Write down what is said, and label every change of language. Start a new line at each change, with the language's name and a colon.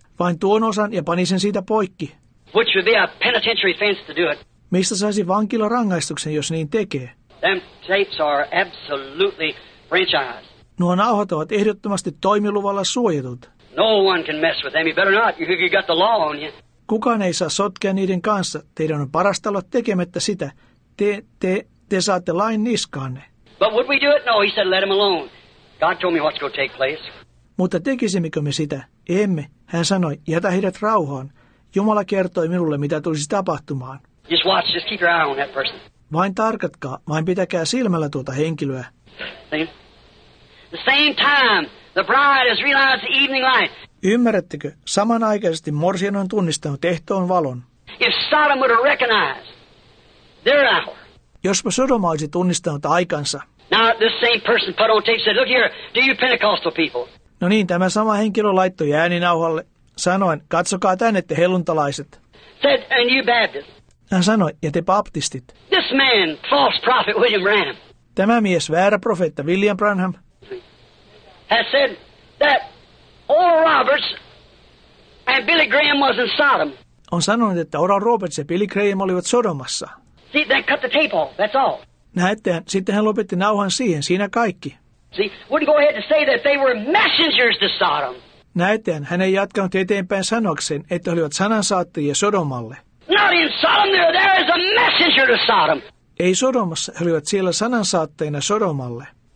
Finnish: Vain tuon osan ja pani sen siitä poikki.
English: Which would be a penitentiary offense to do it.
Finnish: Mistä saisi vankilarangaistuksen, jos niin tekee?
English: Them tapes are absolutely franchised.
Finnish: Nuo nauhat ovat ehdottomasti toimiluvalla suojatut.
English: No one can mess with them. You better not. You got the law on you.
Finnish: Kukaan ei saa sotkea niiden kanssa. Teidän on parasta olla tekemättä sitä. Te saatte lain niskaanne.
English: But would we do it? No, he said, let him alone. God told me what's going to take place.
Finnish: Mutta tekisimmekö me sitä? Emme. Hän sanoi, jätä heidät rauhaan. Jumala kertoi minulle, mitä tulisi tapahtumaan.
English: Just watch. Just keep your eye on that person.
Finnish: Vain tarkatkaa. Vain pitäkää silmällä tuota henkilöä.
English: The same time. The bride has realized the evening light.
Finnish: Ymmärrättekö? Samanaikaisesti morsian on tunnistanut ehtoon valon.
English: If Sodom would have recognized their hour.
Finnish: Jospa Sodoma olisi tunnistanut aikansa.
English: Now this same person put on tape said, look here, do you Pentecostal people?
Finnish: No niin, tämä sama henkilö laittoi ääninauhalle sanoen, katsokaa tänne te helluntalaiset.
English: Said, and you Baptist.
Finnish: Hän sanoi, ja te baptistit.
English: This man, false prophet William Branham.
Finnish: Tämä mies, väärä profeetta William Branham.
English: Has said that Oral Roberts and Billy Graham was in Sodom.
Finnish: On sanonut, että Oral Roberts ja Billy Graham olivat Sodomassa.
English: See, they cut the tape off. That's all.
Finnish: Näettehän, sitten hän lopetti nauhan siihen, siinä kaikki.
English: See, wouldn't go ahead and say that they were messengers to Sodom.
Finnish: Näettehän, hän ei jatkanut eteenpäin sanokseen, että olivat sanansaattajia Sodomalle.
English: Not in Sodom, there is a messenger to Sodom.
Finnish: Ei Sodomassa, he olivat siellä sanansaattajina Sodomalle.